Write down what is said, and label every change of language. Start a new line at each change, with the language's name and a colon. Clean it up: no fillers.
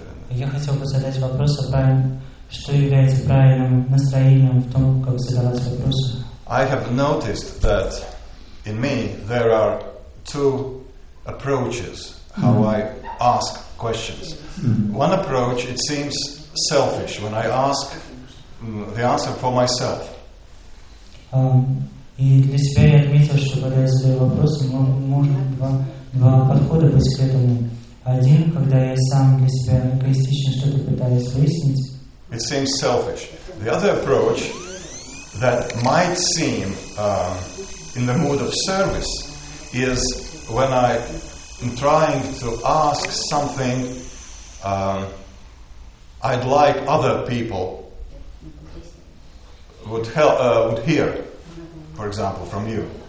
Russian: Я хотел бы задать вопрос о правильном, что является правильным настроением в том, как задавать вопросы.
English: I have noticed that in me there are two approaches how I ask questions. One approach, it seems selfish when I ask the answer for myself.
Russian: И для себя я отметил, что когда я задаю вопросы, можно два подхода быть к этому. Один, когда я сам для себя эгоистично что-то пытаюсь выяснить.
English: It seems selfish. The other approach that might seem in the mood of service is when I am trying to ask something I'd like other people would hear, for example, from you.